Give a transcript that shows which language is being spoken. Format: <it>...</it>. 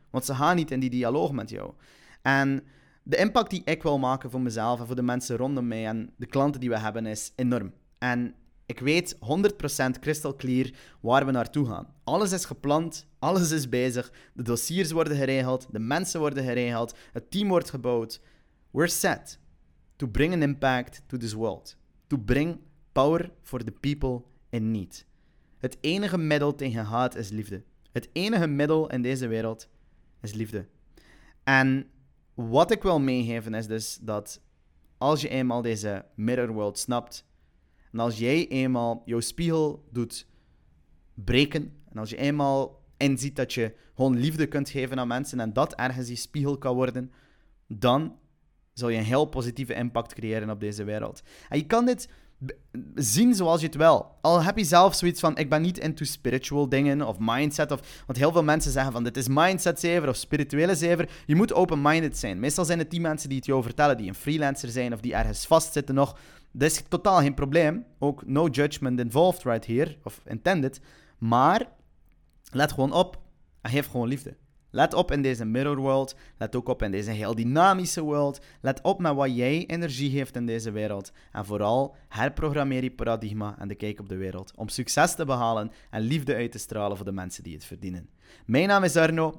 <nl>Want ze gaan niet in die dialoog met jou. En de impact die ik wil maken voor mezelf en voor de mensen rondom mij en de klanten die we hebben is enorm. En ik weet 100% crystal clear waar we naartoe gaan. Alles is gepland, alles is bezig, de dossiers worden geregeld, de mensen worden geregeld, het team wordt gebouwd.</nl> <en>We're set to bring an impact to this world. To bring power for the people in need.</en> <nl>Het enige middel tegen haat is liefde. Het enige middel in deze wereld is liefde. En wat ik wil meegeven is dus dat als je eenmaal deze mirror world snapt en als jij eenmaal jouw spiegel doet breken en als je eenmaal inziet dat je gewoon liefde kunt geven aan mensen en dat ergens die spiegel kan worden, dan zul je een heel positieve impact creëren op deze wereld. En je kan dit zien zoals je het wil. Al heb je zelf zoiets van, ik ben niet into spiritual dingen of mindset. Want heel veel mensen zeggen van, dit is mindset zever of spirituele zever. Je moet open-minded zijn. Meestal zijn het die mensen die het jou vertellen, die een freelancer zijn of die ergens vastzitten nog. Dat is totaal geen probleem. Ook</nl> <en>no judgment involved right here, of intended.</en> <nl>Maar let gewoon op en geef gewoon liefde. Let op in deze mirror world. Let ook op in deze heel dynamische world. Let op met wat jij energie geeft in deze wereld. En vooral herprogrammeer je paradigma en de kijk op de wereld. Om succes te behalen en liefde uit te stralen voor de mensen die het verdienen. Mijn naam is Arno.</nl>